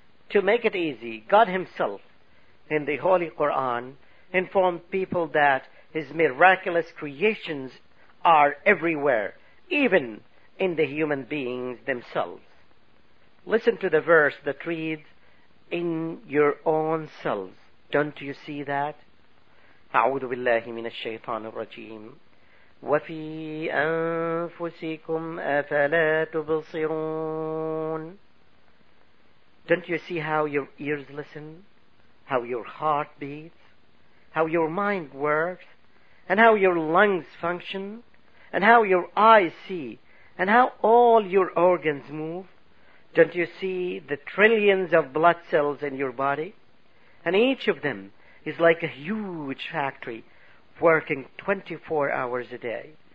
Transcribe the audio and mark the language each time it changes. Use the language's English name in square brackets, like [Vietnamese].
[English] To make it easy, God Himself, in the Holy Quran, informed people that His miraculous creations are everywhere, even in the human beings themselves. Listen to the verse that reads, "In your own selves, don't you see that?" [Arabic] أعوذ بالله من الشيطان الرجيم وفي أنفسكم أفلا تبصرون. [English] Don't you see how your ears listen, how your heart beats, how your mind works, and how your lungs function, and how your eyes see, and how all your organs move? Don't you see the trillions of blood cells in your body, and each of them is like a huge factory working 24 hours a day?